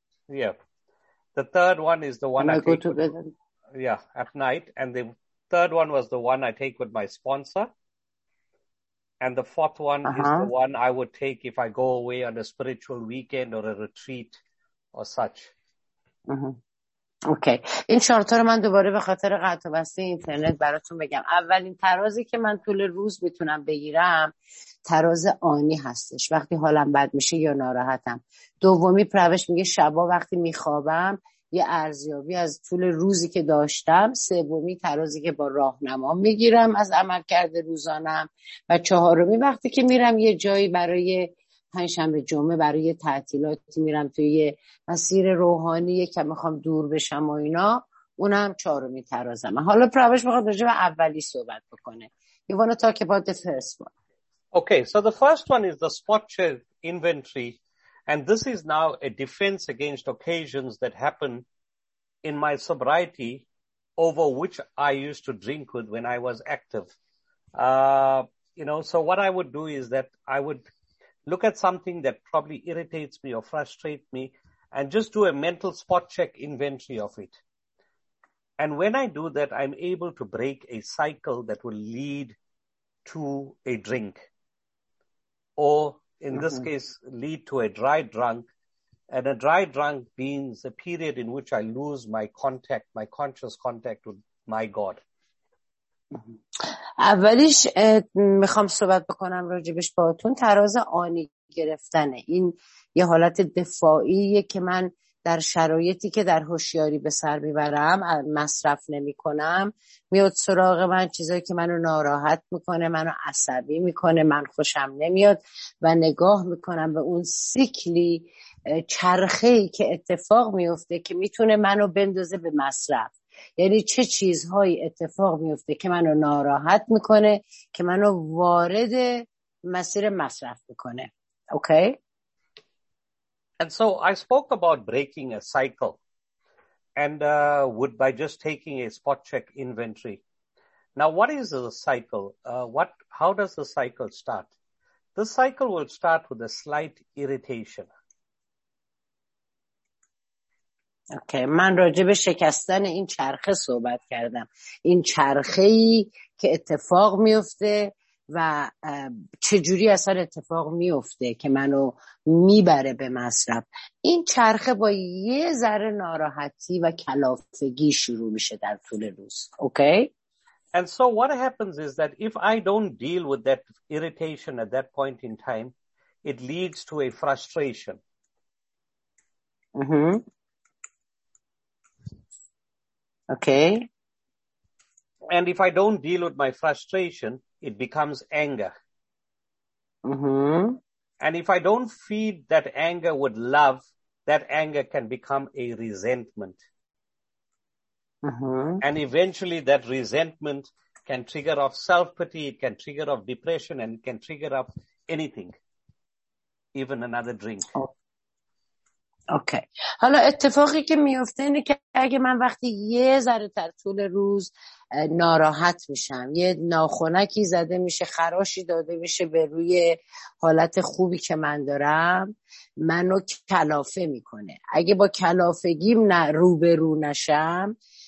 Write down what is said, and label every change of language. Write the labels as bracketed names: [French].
[English] Yeah. The third one is the one I go to bed. Yeah, at night. And the third one was the one I take with my sponsor. And the fourth one is the one I would take if I go away on a spiritual weekend or a retreat or such. Mm-hmm. Okay. [Persian] این چهار تا رو من دوباره به خاطر قطع و وصل اینترنت براتون بگم. اولین ترازی که من طول روز میتونم بگیرم تراز آنی هستش، وقتی حالم بد میشه یا ناراحتم. دومی پروش میگه شبا وقتی میخوابم یه ارزیابی از طول روزی که داشتم. سومی ترازی که با راهنما میگیرم از عمل کرده روزانم. و چهارمی وقتی که میرم یه جایی برای پنجشنبه جمعه برای تعطیلاتی میرم توی یه مسیر روحانی که میخوام دور بشم و اینا، اونم چهارمی ترازم. حالا پروش میخواد راجع به اولی صحبت بکنه. [English] You wanna talk about the first one. Okay, so the first one is the spot check inventory, and this is now a defense against occasions that happen in my sobriety over which I used to drink with when I was active. You know, so what I would do is that I would look at something that probably irritates me or frustrates me and just do a mental spot check inventory of it. And when I do that, I'm able to break a cycle that will lead to a drink or in mm-hmm. this case, lead to a dry drunk. And a dry drunk means a period in which I lose my contact, my conscious contact with my God. [Persian] اولیش میخوام صحبت بکنم راجبش با اتون تراز آنی گرفتنه این یه حالت دفاعیه که من در شرایطی که در هوشیاری به سر میبرم مصرف نمی کنم میاد سراغ من چیزایی که منو ناراحت میکنه منو عصبی میکنه من خوشم نمیاد و نگاه میکنم به اون سیکلی چرخهی که اتفاق میفته که میتونه منو بندازه به مصرف یعنی چه چیزهایی اتفاق میفته که منو ناراحت میکنه که منو وارد مسیر مصرف میکنه اوکی [English] And so I spoke about breaking a cycle and would by just taking a spot check inventory Now what is a cycle how does the cycle start The cycle will start with a slight irritation okay okay. [Persian] من راجع به شکستن این چرخه صحبت کردم این چرخه‌ای که اتفاق میفته و چجوری اصلا اتفاق میفته که منو میبره به مصرف این چرخه با یه ذره ناراحتی و کلافگی شروع میشه در طول روز اوکی okay? [English] And so what happens is that if I don't deal with that irritation at that point in time it leads to a frustration mm-hmm. Okay. And if I don't deal with my frustration, it becomes anger. Mm-hmm. And if I don't feed that anger with love, that anger can become a resentment. Mm-hmm. And eventually that resentment can trigger off self-pity, it can trigger off depression, and it can trigger off anything, even another drink. Oh. [Persian] اوکی حالا اتفاقی که میفته اینه که اگه من وقتی یه ذره تر طول روز ناراحت میشم یه ناخونکی زده میشه خراشی داده میشه به روی حالت خوبی که من دارم منو کلافه میکنه اگه با کلافگیم روبرو نشم